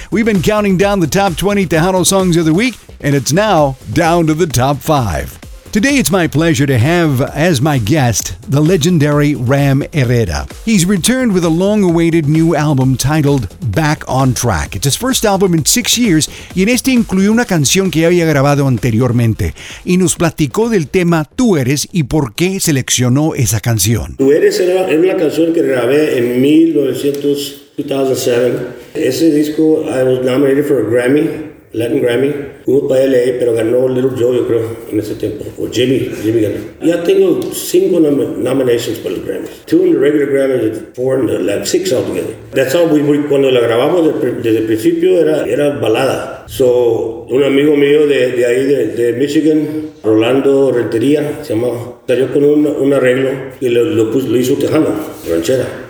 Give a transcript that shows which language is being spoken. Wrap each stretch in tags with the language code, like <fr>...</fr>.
<en>We've been counting down the top 20 Tejano songs of the week, and it's now down to the top 5. Today, it's my pleasure to have as my guest the legendary Ram Herrera. He's returned with a long-awaited new album titled Back on Track. It's his first album in 6 years,</en> <es>y en este incluyó una canción que había grabado anteriormente. Y nos platicó del tema Tú Eres y por qué seleccionó esa canción. Tú Eres era una canción que grabé en 1907. Ese disco,</es> <en>I was nominated for a Grammy.</en> <es>Latin Grammy, jugó para LA, pero ganó Little Joe, yo creo, en ese tiempo. O Jimmy ganó. Ya tengo 5 nominations para los Grammys. 2 en el regular Grammy, 4 en el Latin, 6 altogether.</es> <en>That's how we</en> <es>cuando la grabamos desde el principio era balada. So, un amigo mío de ahí, de Michigan, Rolando Rentería, se llamaba, salió con un arreglo y lo hizo Tejano, ranchera.</es>